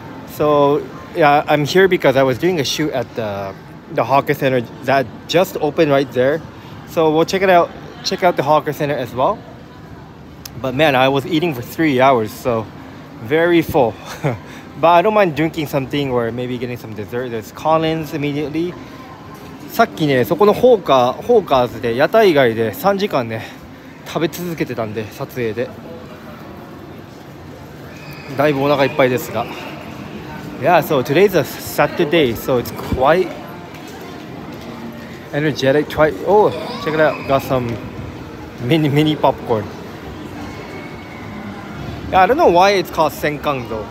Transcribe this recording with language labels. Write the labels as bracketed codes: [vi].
[en] So yeah, I'm here because I was doing a shoot at the Hawker Center that just opened right there. So we'll check it out. Check out the Hawker Center as well. But man, I was eating for 3 hours, so very full. But I don't mind drinking something or maybe getting some dessert. There's Collins immediately. [ja] さっきね、そこのホーカーズで屋台以外で3時間ね、食べ続けてたんで、撮影で。だいぶお腹いっぱいですが。 [en] Yeah, so today's a Saturday, so it's quite energetic. Oh, check it out. Got some mini popcorn. Yeah, I don't know why it's called Sengkang though.